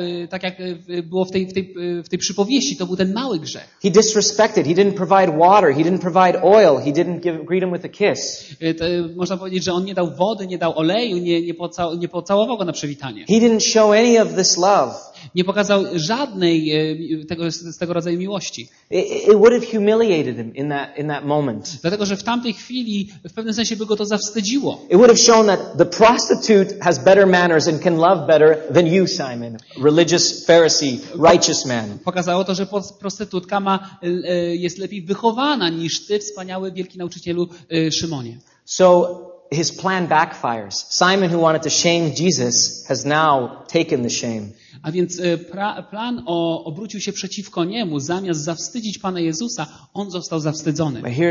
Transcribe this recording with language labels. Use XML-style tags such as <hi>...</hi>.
<pl>Tak jak było w tej przypowieści, to był ten mały grzech.</pl> <en>He disrespected. He didn't provide water. He didn't provide oil. He didn't greet him with a kiss.</en> <pl>Można powiedzieć, że on nie dał wody, nie dał oleju, nie pocałował go na przywitanie.</pl> <en>He didn't show any of this love.</en> <pl>Nie pokazał żadnej z tego rodzaju miłości.</pl> <en>It would have humiliated him in that moment.</en> <pl>Dlatego, że w tamtej chwili w pewnym sensie by go to zawstydziło.</pl> <en>It would have shown that the prostitute has better manners and can love better than you, Simon, religious Pharisee, righteous man.</en> <pl>Pokazało to, że prostytutka jest lepiej wychowana niż ty, wspaniały wielki nauczycielu Szymonie.</pl> <en>So his plan backfires. Simon, who wanted to shame Jesus, has now taken the shame.</en> <pl>A więc plan obrócił się przeciwko niemu. Zamiast zawstydzić Pana Jezusa, on został zawstydzony.</pl>